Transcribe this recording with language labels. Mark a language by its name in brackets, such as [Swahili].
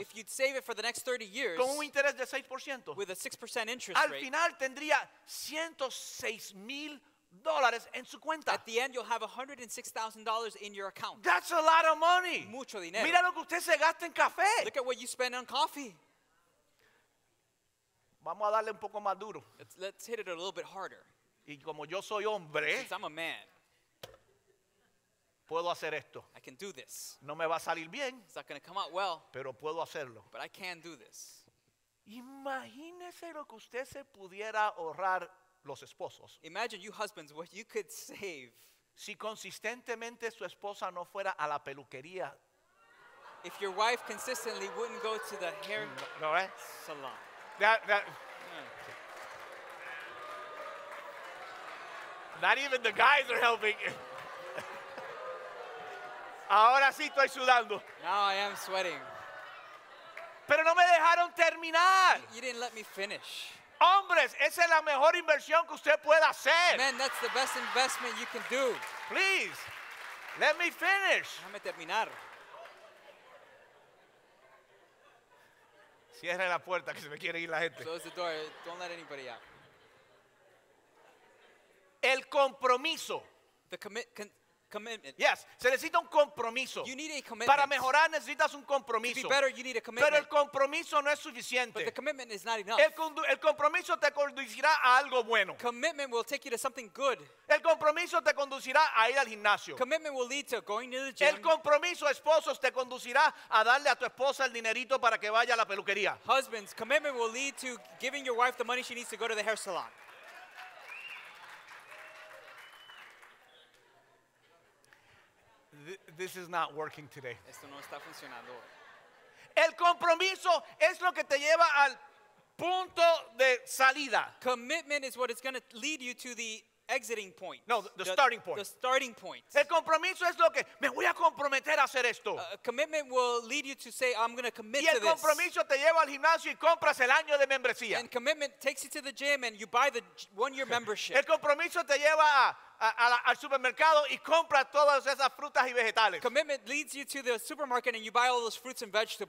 [English] If you'd save it for the next 30 years. [Spanish] Con un interés de 6%. [English] With a 6% interest [Spanish] al [English] rate. [Spanish] Al final tendría $106,000 en su cuenta. [English] At the end you'll have $106,000 in your account. That's a lot of money. [Spanish] Mucho dinero. Mira lo que usted se gasta en café. [English] Look at what you spend on coffee. [Spanish] Vamos a darle un poco más duro. [English] Let's hit it a little bit harder. [Spanish] Y como yo soy hombre. [English] Since I'm a man. [Spanish] Puedo hacer esto. [English] I can do this. [Spanish] No me va a salir bien. [English] It's not going to come out well. [Spanish] Pero puedo hacerlo. [English] But I can do this. [Spanish] Imagínese lo que usted se pudiera ahorrar los esposos. [English] Imagine you husbands what you could save. [Spanish] Si consistentemente su esposa no fuera a la peluquería. [English] If your wife consistently wouldn't go to the hair salon. Not even the guys are helping you. [Spanish] Ahora sí estoy sudando. [English] Now I am sweating. [Spanish] Pero no me dejaron terminar. [English] You didn't let me finish. [Spanish] Hombres, esa es la mejor inversión que usted puede hacer. [English] Man, that's the best investment you can do. Please, let me finish. [Spanish] Déjame terminar. Cierra la puerta que se me quiere ir la gente. [English] Close the door. Don't let anybody out. [Spanish] El compromiso. [English] The commitment. [Spanish] Yes, se necesita un compromiso. [English] You need a commitment. [Spanish] Para mejorar necesitas un compromiso. [English] To be better, you need a commitment. [Spanish] Pero el compromiso no es suficiente. [English] But the commitment is not enough. [Spanish] El compromiso te conducirá a algo bueno. [English] Commitment will take you to something good. [Spanish] El compromiso te conducirá a ir al gimnasio. [English] Commitment will lead to going to the gym. [Spanish] El compromiso, esposos, te conducirá a darle a tu esposa el dinerito para que vaya a la peluquería. [English] Husbands, commitment will lead to giving your wife the money she needs to go to the hair salon. This is not working today. [Spanish] Esto no está funcionando. El compromiso es lo que te lleva al punto de salida. [English] Commitment is what is going to lead you to the exiting point. No, the starting point. The starting point. [Spanish] El compromiso es lo que me voy a comprometer a hacer esto. [English] Commitment will lead you to say I'm going to commit to this. [Spanish] Y el compromiso te lleva al gimnasio y compras el año de membresía. [English] And commitment takes you to the gym and you buy the 1 year membership. [Spanish] El compromiso te lleva al supermercado y compra todas esas frutas y vegetales. [English] Commitment leads you to the supermarket and you buy all those fruits and vegetables.